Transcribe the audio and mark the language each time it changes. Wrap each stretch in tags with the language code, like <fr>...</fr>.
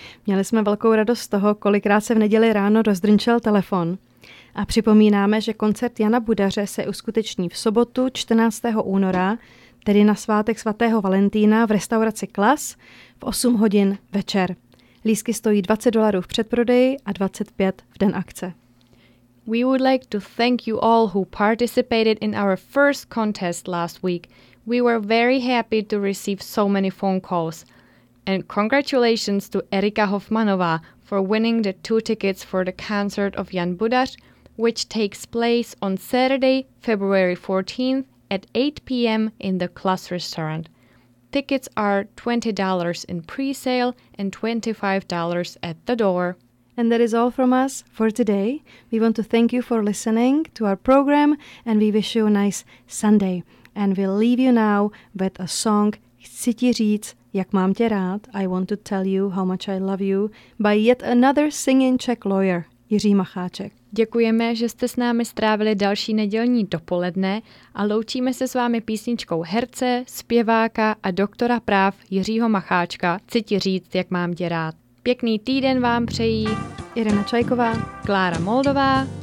<cs>Měli jsme velkou radost z toho, kolikrát se v neděli ráno rozdrnčel telefon. A připomínáme, že koncert Jana Budaře se uskuteční v sobotu 14. února, tedy na svátek svatého Valentýna v restauraci Klas v 8 hodin večer. Lístky stojí $20 v předprodeji a 25 v den akce.</cs> <en>We would like to thank you all who participated in our first contest last week. We were very happy to receive so many phone calls. And congratulations to Erika Hofmanová for winning the two tickets for the concert of Jan Budař, which takes place on Saturday, February 14th at 8 p.m. in the Klas restaurant. Tickets are $20 in pre-sale and $25 at the door. And that is all from us for today. We want to thank you for listening to our program and we wish you a nice Sunday. And we'll leave you now with a song,</en> <cs>Chci ti říct, jak mám tě rád,</cs> <en>I want to tell you how much I love you, by yet another singing Czech lawyer, Jiří Macháček.</en> <cs>Děkujeme, že jste s námi strávili další nedělní dopoledne a loučíme se s vámi písničkou herce, zpěváka a doktora práv Jiřího Macháčka, Chci ti říct, jak mám tě rád. Pěkný týden vám přejí Irena Čajková, Klára Moldová</cs>